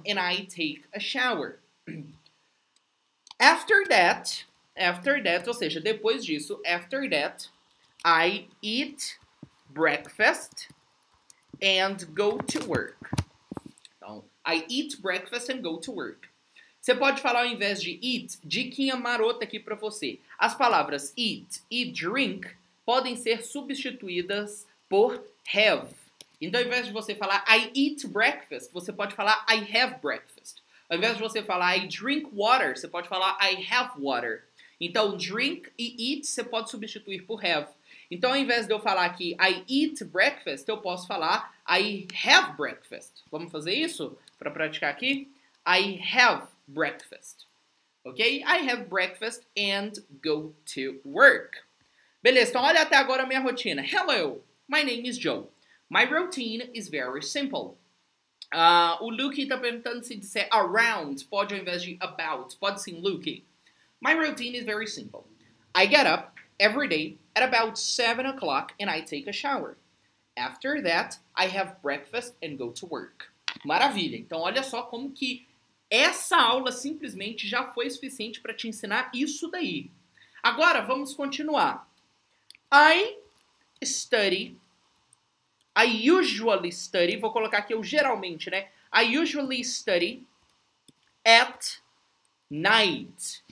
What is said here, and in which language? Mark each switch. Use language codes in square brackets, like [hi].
[en] And I take a shower. After that, [pt] ou seja, depois disso, [en] after that, I eat breakfast and go to work. Então, I eat breakfast and go to work. [pt] Você pode falar ao invés de eat, diquinha marota aqui para você. As palavras eat e drink podem ser substituídas por have. Então, ao invés de você falar [en] I eat breakfast, [pt] você pode falar [en] I have breakfast. [pt] Ao invés de você falar [en] I drink water, [pt] você pode falar [en] I have water. [pt] Então, drink e eat você pode substituir por have. Então, ao invés de eu falar aqui [en] I eat breakfast, [pt] eu posso falar [en] I have breakfast. [pt] Vamos fazer isso para praticar aqui? [en] I have breakfast. Ok? I have breakfast and go to work. [pt] Beleza, então olha até agora a minha rotina. [en] Hello, my name is Joe. My routine is very simple. [pt] O Luke está perguntando se disser around, pode ao invés de about, pode sim, Luke. [en] My routine is very simple. I get up every day at about 7 o'clock and I take a shower. After that, I have breakfast and go to work. [pt] Maravilha! Então, olha só como que essa aula simplesmente já foi suficiente para te ensinar isso daí. Agora, vamos continuar. [en] I study. I usually study. [pt] Vou colocar aqui o geralmente, né? [en] I usually study at night.